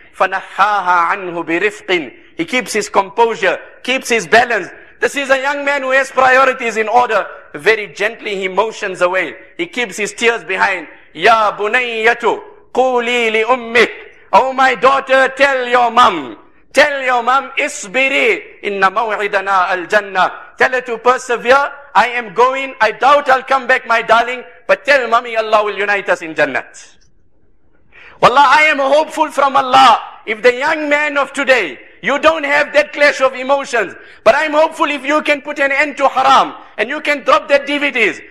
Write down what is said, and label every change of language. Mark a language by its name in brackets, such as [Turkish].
[Arabic] فَنَحَّاهَا عَنْهُ بِرِفْقٍ. [English] He keeps his composure, keeps his balance. This is a young man who has priorities in order. Very gently he motions away. He keeps his tears behind. [Arabic] يَا بُنَيَّةُ قُولِي لِأُمِّكْ. [English] Oh my daughter, tell your mom. Tell your mom, [Arabic] اسْبِرِي إِنَّ مَوْعِدَنَا الْجَنَّةِ. [English] Tell her to persevere. I am going. I doubt I'll come back, my darling. But tell mommy, Allah will unite us in Jannat. Wallah, I am hopeful from Allah. If the young man of today, you don't have that clash of emotions. But I'm hopeful if you can put an end to haram. And you can drop that DVDs.